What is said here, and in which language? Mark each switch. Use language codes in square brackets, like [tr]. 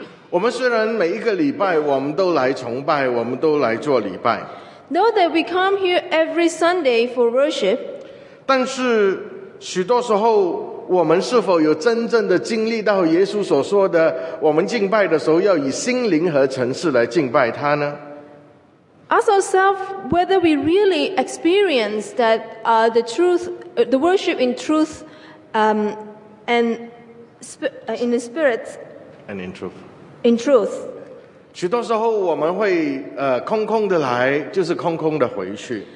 [zh] 我们虽然每一个礼拜我们都来崇拜，我们都来做礼拜， [en] Though that we come here every Sunday for worship, [zh] 但是许多时候 我们是否有真正的经历到耶稣所说的，我们敬拜的时候要以心灵和诚实来敬拜他呢？ [en] Ask ourselves whether we really experience that the truth, the worship in truth, and in the spirit, and in truth. In truth. [zh] 许多时候我们会 空空的来，就是空空的回去。